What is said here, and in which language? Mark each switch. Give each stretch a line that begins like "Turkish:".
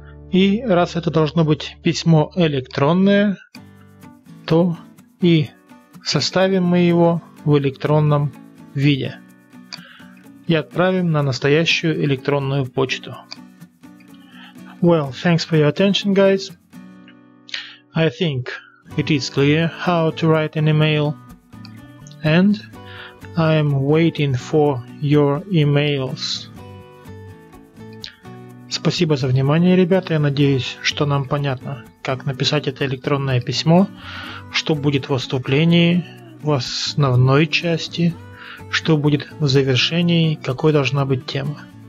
Russian: И раз это должно быть письмо электронное, то и составим мы его в электронном виде и отправим на настоящую электронную почту.
English: Well, thanks for your attention, guys. I think it is clear how to write an email, and I am waiting for your emails.
Russian: Спасибо за внимание, ребята. Я надеюсь, что нам понятно, как написать это электронное письмо, что будет в вступлении, в основной части, что будет в завершении, какой должна быть тема.